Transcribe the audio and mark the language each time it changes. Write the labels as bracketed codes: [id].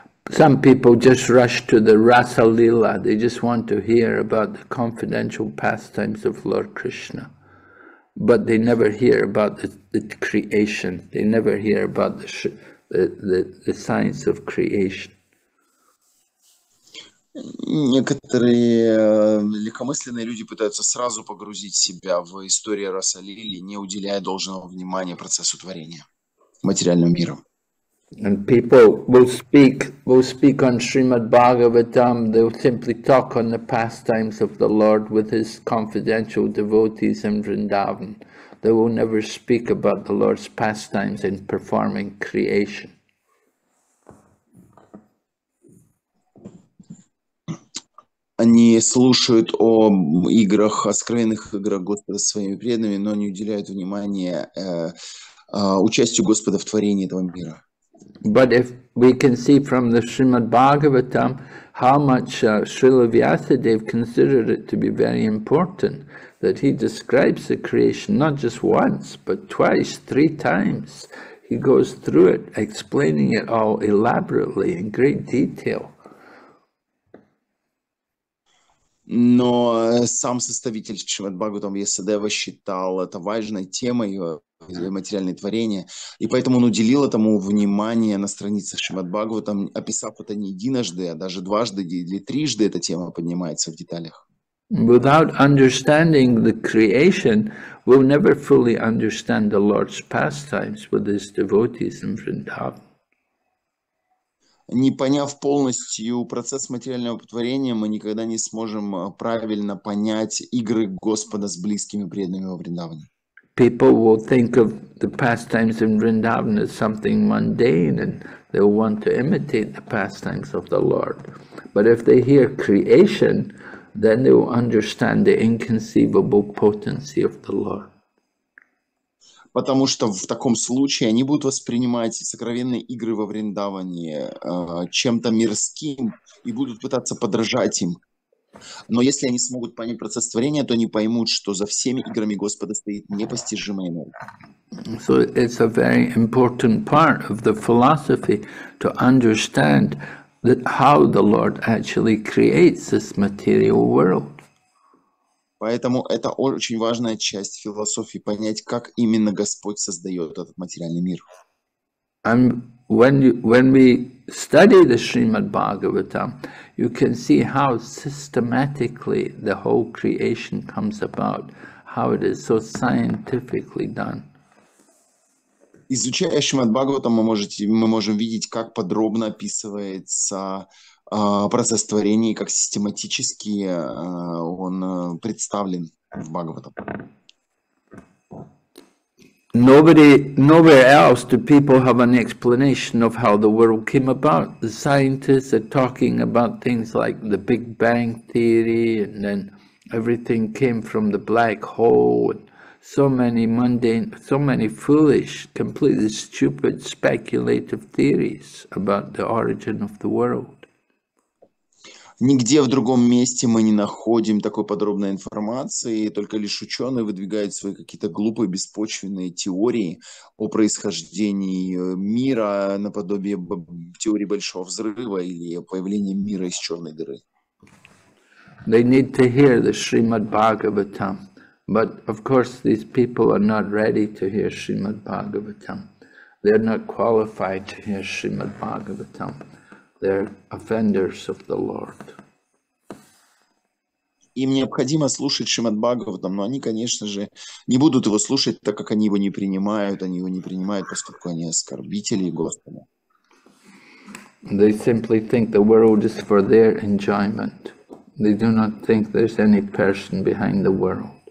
[en] Some people just rush to the Rasa Lila. They just want to hear about the confidential pastimes of Lord Krishna. But they never hear about the creation. They never hear about the science of creation. [ru] Некоторые легкомысленные люди пытаются сразу погрузить себя в историю Расалили, не уделяя должного внимания процессу творения материального мира. [en] And people will speak on Srimad Bhagavatam. They will simply talk on the pastimes of the Lord with his confidential devotees in Vrindavan. They will never speak about the Lord's pastimes in performing creation. [ru] Они слушают о играх, о скрытых играх Господа со своими преданными, но не уделяют внимания участию Господа в творении этого мира. [en] But if we can see from the Srimad Bhagavatam how much Srila Vyasadeva considered it to be very important, that he describes the creation not just once, but twice, three times. He goes through it, explaining it all elaborately in great detail. [ru] Но сам составитель Шримад-Бхагаватам Ясадева считал это важной темой его материальное творение, и поэтому он уделил этому внимание на страницах Шримад-Бхагаватам, описав это не единожды, а даже дважды или трижды эта тема поднимается в деталях. [en] Without understanding the creation, we'll never fully understand the Lord's pastimes with his devotees in Vrindavan. [ru] Не поняв полностью процесс материального творения, мы никогда не сможем правильно понять игры Господа с близкими преданными во Вриндаване. [en] People will think of the pastimes in Vrindavan as something mundane, and they will want to imitate the pastimes of the Lord. But if they hear creation, then they will understand the inconceivable potency of the Lord. [ru] Потому что в таком случае они будут воспринимать сокровенные игры во Вриндаване чем-то мирским и будут пытаться подражать им. Но если они смогут понять процесс творения, то они поймут, что за всеми играми Господа стоит непостижимая энергия. [en] So it's a very important part of the philosophy to understand that how the Lord actually creates this material world. [ru] Поэтому это очень важная часть философии, понять, как именно Господь создает этот материальный мир. [en] And when we study the Srimad Bhagavatam, you can see how systematically the whole creation comes about, how it is so scientifically done. [ru] Изучая Шримад Бхагаватам, мы можем видеть, как подробно описывается процесс творения, как систематически он представлен в Бхагаватам. [en] Nowhere else do people have an explanation of how the world came about. The scientists are talking about things like the Big Bang theory, and then everything came from the black hole. So many mundane, so many foolish, completely stupid, speculative theories about the origin of the world. [ru] Нигде в другом месте мы не находим такой подробной информации, только лишь ученые выдвигают свои какие-то глупые, беспочвенные теории о происхождении мира наподобие теории Большого Взрыва или появления мира из черной дыры. [en] They need to hear the Srimad Bhagavatam. But of course, these people are not ready to hear Srimad Bhagavatam. They are not qualified to hear Srimad Bhagavatam. They are offenders of the Lord. [ru] Им необходимо слушать Шримад Бхагаватам, но они, конечно же, не будут его слушать, так как они его не принимают. Они его не принимают, поскольку они оскорбители Господа. [en] They simply think the world is for their enjoyment. They do not think there's any person behind the world.